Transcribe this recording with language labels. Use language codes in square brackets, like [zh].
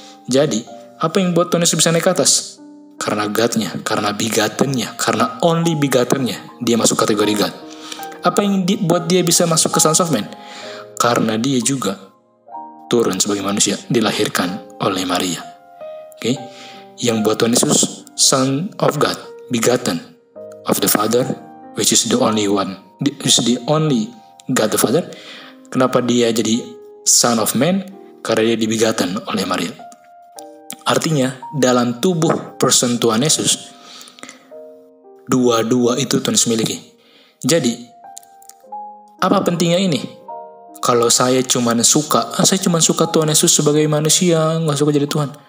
[id] Jadi, apa yang buat Tuhan Yesus bisa naik ke atas? Karena God-nya, karena begotten-nya, karena only begotten-nya, dia masuk kategori God. Apa yang buat dia bisa masuk ke Sons of Man? Karena dia juga turun sebagai manusia, dilahirkan oleh Maria. Oke? Okay? Yang buat Tuhan Yesus, [en] Son of God, begotten of the Father, which is the only one, which is the only God the Father. [id] Kenapa dia jadi Son of Man? Karena dia dibegotten oleh Maria. Artinya, dalam tubuh person Tuhan Yesus, dua-dua itu Tuhan Yesus miliki. Jadi, apa pentingnya ini? Kalau saya cuma suka Tuhan Yesus sebagai manusia, gak suka jadi Tuhan.